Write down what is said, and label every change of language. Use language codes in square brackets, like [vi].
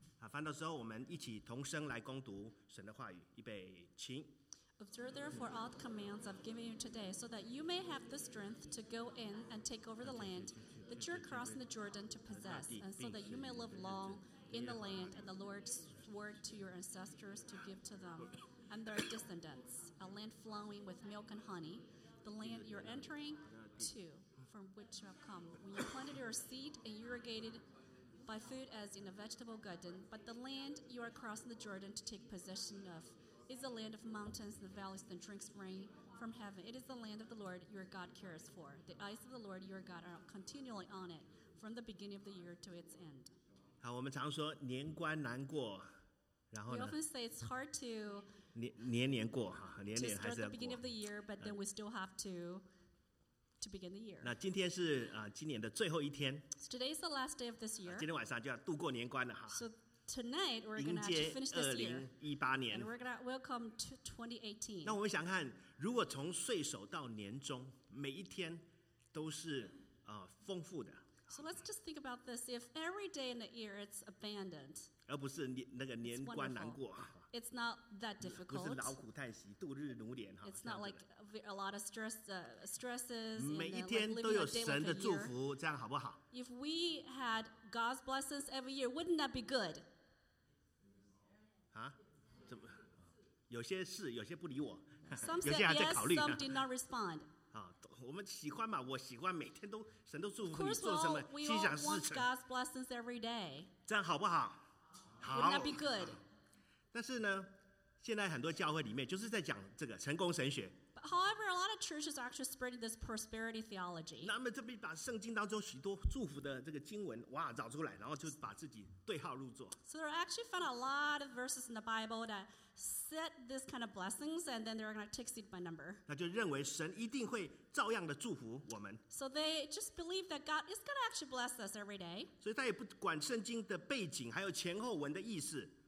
[zh] 翻到之后，我们一起同声来攻读神的话语，预备，请。 [en] Observe therefore all the commands I've given you today, so that you may have the strength to go in and take over the land that you're crossing the Jordan to possess, and so that you may live long in the land that the Lord swore to your ancestors to give to them and their descendants, a land flowing with milk and honey, the land you're entering to, from which you have come. When you planted your seed and irrigated by food as in a vegetable garden, but the land you are crossing the Jordan to take possession of is the land of mountains and the valleys that drinks rain from heaven. It is the land of the Lord your God cares for. The eyes of the Lord your God are continually on it from the beginning of the year to its end. [zh] 好，我们常说年关难过，然后呢？ [en] We often say it's hard to [zh] 年年过哈，年年还是要过。 [en] To start the beginning of the year, but then we still have to begin the year. [zh] 那今天是今年的最后一天。 [en] So today is the last day of this year. [zh] 今天晚上就要度过年关了哈。 [en] So tonight we're going to actually finish this year. [zh] 迎接2018年。 [en] And we're going to welcome to 2018. [zh] 那我们想看，如果从岁首到年终，每一天都是丰富的。 [en] So let's just think about this. If every day in the year it's abundant, [zh] 而不是那个年关难过， [en] it's not that difficult. [zh] 不是劳苦叹息，度日如年。 [en] It's not like a lot of stresses. [zh] 每一天都有神的祝福，这样好不好？ [en] If we had God's blessings every year, wouldn't that be good? [zh] 啊？怎么？有些事，有些不理我，有些还在考虑呢。 [en] Some did not respond. [zh] 我们喜欢嘛，我喜欢每天都神都祝福你做什么心想事成。 [en] God's blessings every day. [zh] 这样好不好？好。 [en] Wouldn't that be good? [zh] 但是呢，现在很多教会里面就是在讲这个成功神学。 [en] But however, a lot of churches are actually spreading this prosperity theology. [zh] 那么这边把圣经当中许多祝福的这个经文哇找出来，然后就把自己对号入座。 [en] So they're actually found a lot of verses in the Bible that set this kind of blessings, and then they're going to take it by number. [zh] 那就认为神一定会照样的祝福我们。 [en] So they just believe that God is going to actually bless us every day. [zh] 所以他也不管圣经的背景还有前后文的意思。